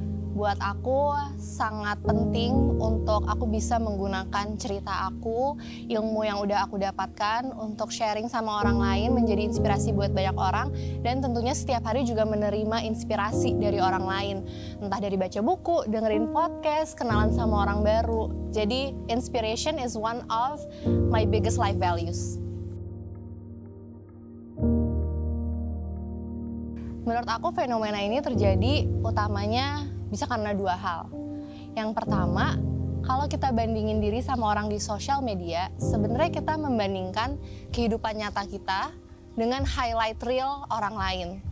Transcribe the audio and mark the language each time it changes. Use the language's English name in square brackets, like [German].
[Indonesian] Buat aku sangat penting untuk aku bisa menggunakan cerita aku, ilmu yang udah aku dapatkan untuk sharing sama orang lain, menjadi inspirasi buat banyak orang, dan tentunya setiap hari juga menerima inspirasi dari orang lain. Entah dari baca buku, dengerin podcast, kenalan sama orang baru. [English] Jadi inspiration is one of my biggest life values. [Indonesian] Menurut aku fenomena ini terjadi utamanya bisa karena dua hal. Yang pertama, kalau kita bandingin diri sama orang di sosial media, sebenarnya kita membandingkan kehidupan nyata kita dengan [English] highlight reel [Indonesian] orang lain.